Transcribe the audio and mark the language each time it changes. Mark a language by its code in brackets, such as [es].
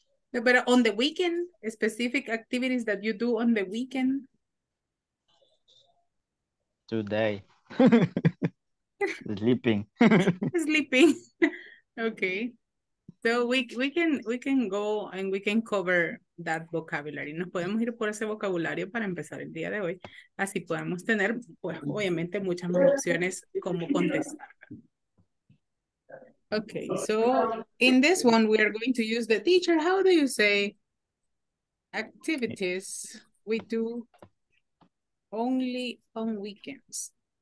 [en] But on the weekend, specific activities that you do on the weekend? Today, sleeping. Sleeping. Okay. So we can go and we can cover that vocabulary. [es] Nos podemos ir por ese vocabulario para empezar el día de hoy. Así podemos tener, pues, obviamente, muchas más opciones como contestar. [en] Okay, so in this one we are going to use the teacher. How do you say activities we do only on weekends?